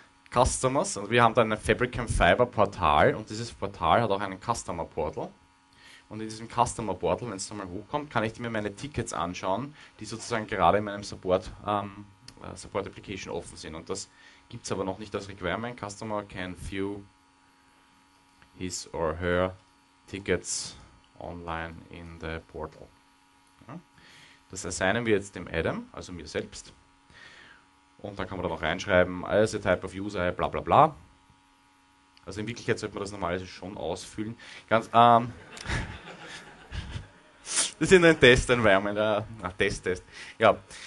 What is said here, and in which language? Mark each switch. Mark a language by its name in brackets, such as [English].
[German] Customers, und wir haben da ein Fabric and Fiber Portal und dieses Portal hat auch einen Customer Portal. Und in diesem Customer Portal, wenn es da mal hochkommt, kann ich mir meine Tickets anschauen, die sozusagen gerade in meinem Support, Support Application offen sind. Und das gibt es aber noch nicht als Requirement. [English] Customer can view his or her tickets online in the portal. [German] Ja. Das assignen wir jetzt dem Adam, also mir selbst. Und dann kann man da noch reinschreiben, [English] as a type of user, bla bla bla. [German] Also in Wirklichkeit sollte man das normalerweise schon ausfüllen. Ganz, das ist ein Test-Environment. Test. Ja.